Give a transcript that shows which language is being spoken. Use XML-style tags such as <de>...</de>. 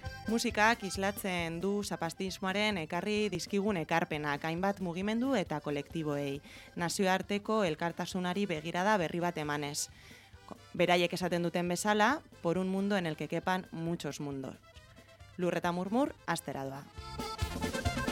<eu>Musikak islatzen du zapatismoaren ekarri dizkigun ekarpenak, hainbat mugimendu eta kolektiboei, nazioarteko elkartasunari begirada berri bat emanez. Beraiek esaten duten bezala,</eu> <es>por un mundo en el que quepan muchos mundos.</es> <eu>Lur eta murmur, astera doa.</eu>